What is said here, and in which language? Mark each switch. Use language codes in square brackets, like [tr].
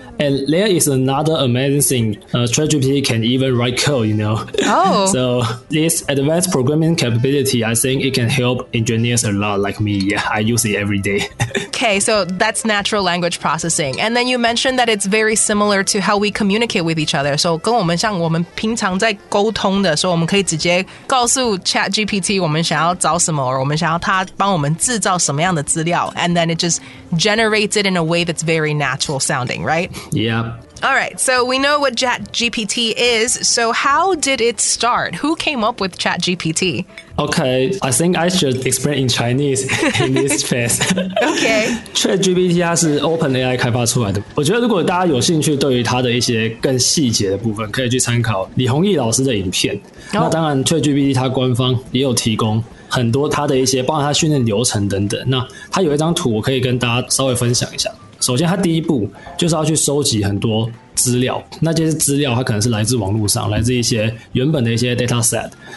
[en] And there is another amazing thing. ChatGPT can even write code, you know. Oh. So this advanced programming capability, I think it can help engineers a lot like me. Yeah, I use it every day. Okay, so that's natural language processing. And then you mentioned that it's very similar to how we communicate with each other. [zh] So 跟我们像我们平常在沟通的时候，我们可以直接告诉 ChatGPT 我们想要找什么，我们想要它帮我们制造什么样的资料。 [en] And then it just generates it in a way that's very natural sounding, right? Yeah. All right. So we know what ChatGPT is. So how did it start? Who came up with ChatGPT? Okay. I think I should explain in Chinese in this phase. Okay. [zh] ChatGPT 它是 OpenAI 开发出来的。我觉得如果大家有兴趣对于它的一些更细节的部分，可以去参考李弘毅老师的影片。 Oh. 那当然 ，ChatGPT 它官方也有提供。很多它的一些包括它训练流程等等那它有一张图我可以跟大家稍微分享一下首先它第一步就是要去收集很多资料那这些资料它可能是来自网络上来自一些原本的一些 dataset